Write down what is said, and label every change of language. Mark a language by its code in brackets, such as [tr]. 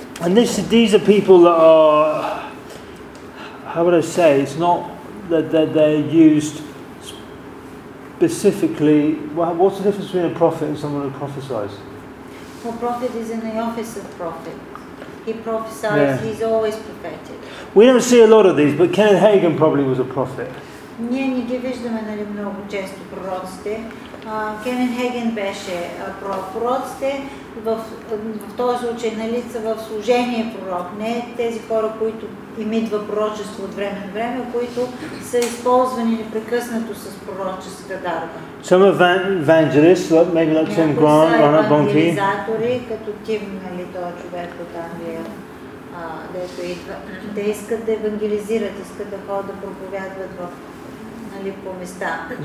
[en] And these are people that are, how would I say, it's not that they're used specifically. What's the difference between a prophet and someone who prophesies? A prophet is in the office of prophet. He prophesies, yeah. He's always prophetic. We don't see a lot of these, but Kenneth Hagin probably was a prophet. [bg] Ние не ги виждаме, нали, много често пророците. Кенет Хейген беше пророк. Пророците в този случай, нали, са в служение пророк, не тези хора, които им идва пророчество от време на време, които са използвани непрекъснато с пророческа дарба. [en] Some evangelists, maybe like Tim Grant, Ronald Bonkey. [bg] Евангелизатори, като Тим, нали, този човек от Англия. дето идва. Те искат да евангелизират, искат да ходят да проповядват в, нали, по места.